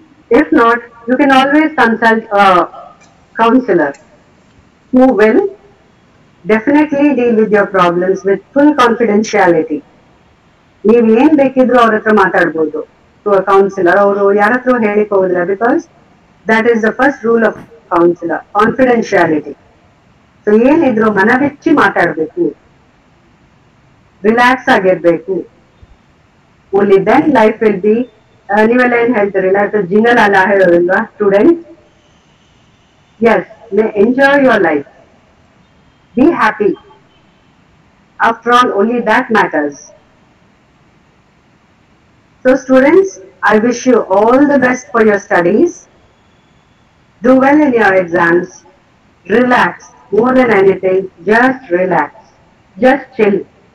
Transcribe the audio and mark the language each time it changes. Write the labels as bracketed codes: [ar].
[en] If not, you can always consult a counselor who will definitely deal with your problems with full confidentiality. [kn] ನೀವ್ ಏನ್ ಬೇಕಿದ್ರು ಅವ್ರ ಹತ್ರ ಮಾತಾಡ್ಬೋದು. [en] to a counsellor, [kn] ಅವರು ಯಾರ ಹತ್ರ ಹೇಳಿಕ್ ಹೋದ್ರೆ, [en] Because that is the first rule of counsellor, confidentiality. [kn] So ಏನಿದ್ರು ಮನಬೆಚ್ಚಿ ಮಾತಾಡ್ಬೇಕು, ರಿಲ್ಯಾಕ್ಸ್ ಆಗಿರ್ಬೇಕು. [en] Only then life will be. [kn] ನೀವೆಲ್ಲ ಏನ್ ಹೇಳ್ತೀರಿ, ಜಿಂಗಲ್ ಅಲ್ಲ ಹೇಳೋದಿಲ್ವಾ student? S, [en] may enjoy your life. Be happy. After all, only that matters. So students, I wish you all the best for your studies. Do well in your exams. Relax. More than anything, just relax. Just chill.